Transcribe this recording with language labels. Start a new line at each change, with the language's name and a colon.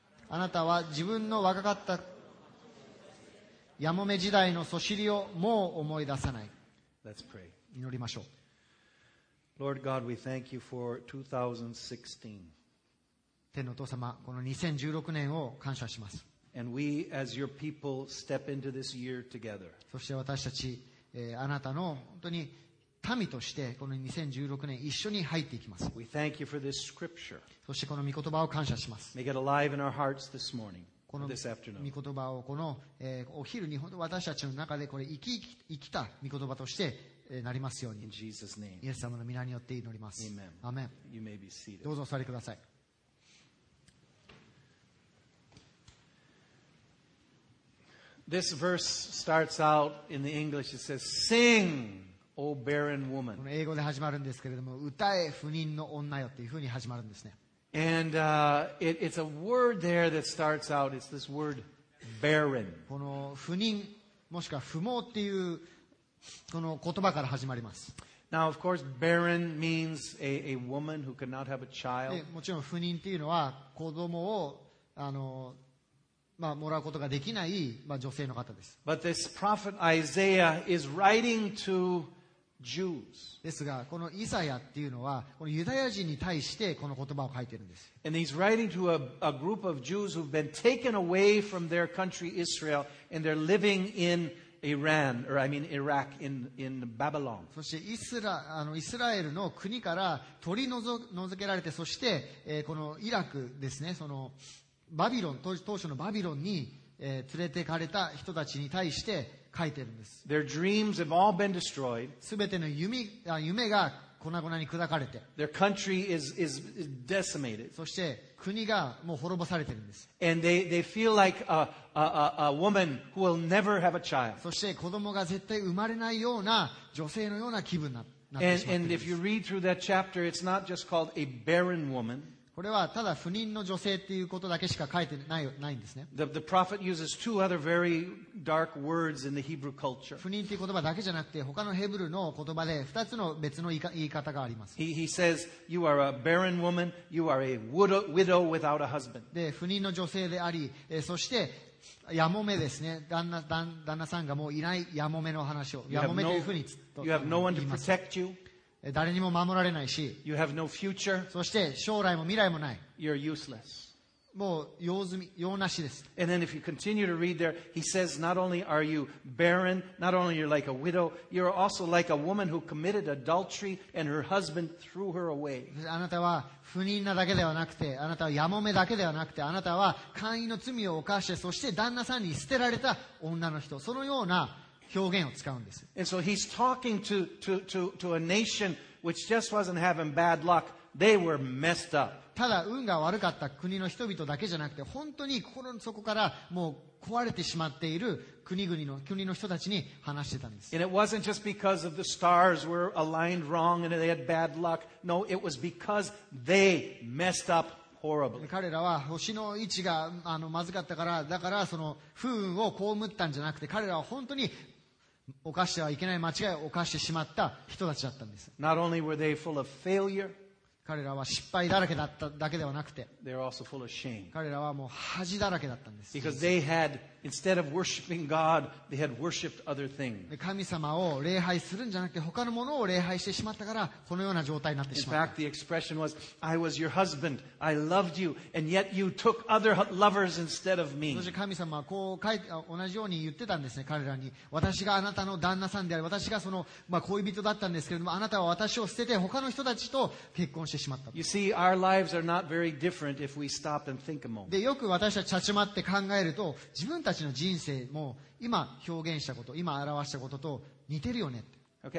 Japanese: あなたは自分の若かったやもめ時代のそしりをもう思い出さない。
English: Let's pray.
Japanese: 祈りましょう。
English: Lord God, we thank you for 2016.
Japanese: 天の父様、この2016年を感謝します。
English: And we, as your people, step into this year together.
Japanese: そして私たち、あなたの本当に民としてこの2016年一緒に入っていきます。
English: We thank you for this scripture.
Japanese: そしてこの御言葉を感謝します。
English: Make it alive in our hearts this morning.
Japanese: この御言葉をこの、お昼に本当私たちの中でこれ生き生きた御言葉として、なりますように。イエス様の御名によって祈ります。アメン。どうぞお座りください。
English: This verse starts out in the English. It says, Sing, O barren woman.
Japanese: この英語で始まるんですけれども、歌え不妊の女よっていうふうに始まるんですね。
English: And it's a word there that starts out. It's this word, barren.
Japanese: この不妊もしくは不毛っていうこの言葉から始まります。
English: Now, of course, barren means a woman who cannot have a child.
Japanese: もちろん不妊っていうのは子供をまあ、もらうことができない、まあ、女性の方です。
English: But this prophet Isaiah is writing to Jews.
Japanese: ですがこのイザヤっていうのはこのユダヤ人に対してこの言葉を書いてるんです。
English: And he's writing to a group of Jews who've been taken away from their country Israel and they're living in Iran or I mean Iraq in Babylon.
Japanese: そしてイスラエルの国から取り除けられて、そして、このイラクですね、そのバビロン、当初のバビロンに、連れてかれた人たちに対して書いてるんです。
English: Their dreams have all been destroyed.
Japanese: 全ての夢が粉々に砕かれて。
English: Their country is decimated.
Japanese: そして国がもう滅ぼされてるんです。
English: And they feel like a woman who will never have a child.
Japanese: そして子供が絶対生まれないような女性のような気分になってしまってるんです
English: 。And if you read through that chapter, it's not just called a barren woman.
Japanese: これはただ不妊の女性っていうことだけしか書いてないんですね。
English: The prophet uses two other very dark words in the Hebrew culture.
Japanese: 不妊っていう言葉だけじゃなくて、他のヘブルの言葉で二つの別の言い方があります。
English: He says, "You are a barren woman. You are a widow without a husband."
Japanese: で、不妊の女性であり、そしてやもめですね。旦那さんがもういないやもめの話を、やもめというふうに言います。
English: You have no one to protect you.
Japanese: 誰にも守られないし、
English: you have no future.
Japanese: そして将来も未来もない。
English: You're useless.
Japanese: もう用済み、用なしです。
English: And then if you continue to read there, he says, not only are you barren, not only you're like a widow, you're also like a woman who committed adultery and her husband threw her away.
Japanese: あなたは不妊なだけではなくて、あなたはやもめだけではなくて、あなたは簡易の罪を犯して、そして旦那さんに捨てられた女の人、そのような表現を使うんです。
English: And so he's talking to a nation which just wasn't having bad luck. They were messed up.
Japanese: ただ運が悪かった国の人々だけじゃなくて、本当に心の底からもう壊れてしまっている国の人たちに話してたんです。
English: And it wasn't just because of the stars were aligned wrong and they had bad luck. No, it was because they messed up.
Japanese: 彼らは星の位置がまずかったから、だからその不運を被ったんじゃなくて、彼らは本当に犯してはいけない間違いを犯してしまった人たちだったんです。
English: Not only were they full of failure,
Japanese: 彼らは失敗だらけだっただけではなくて、
English: they're also full of shame.
Japanese: 彼らはもう恥だらけだったんです。
English: Because they had, instead of worshiping God, they had worshiped other things.
Japanese: 神様を礼拝するんじゃなくて、他のものを礼拝してしまったから、このような状態になってしまった。
English: In fact, the expression was, I was your husband, I loved you, and yet you took other lovers instead of me.
Japanese: そして神様はこう書いて、同じように言ってたんですね、彼らに。私があなたの旦那さんである、私がその、まあ、恋人だったんですけれども、あなたは私を捨てて、他の人たちと結婚してしまった。
English: You see, our lives are not very different if we stop and think a moment.
Japanese: で、よく私たち立ち回って考えると、自分たちの人生も今表現したこと、今表したことと似てるよねって